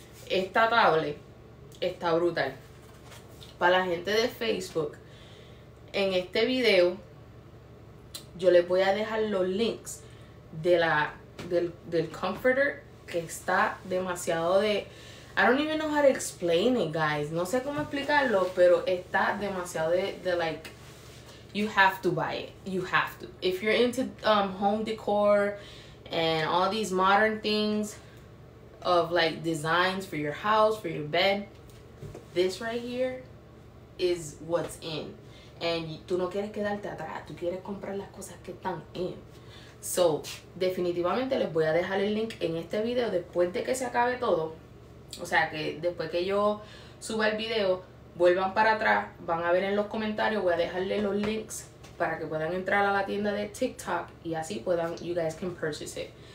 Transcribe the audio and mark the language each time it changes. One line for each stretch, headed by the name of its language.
Spanish: Esta tablet está brutal. Para la gente de Facebook, en este video yo les voy a dejar los links de la del comforter, que está demasiado de...
English: I don't even know how to explain it, guys.
Spanish: No sé cómo explicarlo, pero está demasiado de like...
English: You have to buy it. You have to. If you're into home decor and all these modern things of like designs for your house, for your bed, this right here is what's in.
Spanish: And tú no quieres quedarte atrás. Tú quieres comprar las cosas que están in. So, definitivamente les voy a dejar el link en este video después de que se acabe todo. O sea, que después que yo suba el video, vuelvan para atrás, van a ver en los comentarios, voy a dejarle los links para que puedan entrar a la tienda de TikTok y así puedan,
English: you guys can purchase it.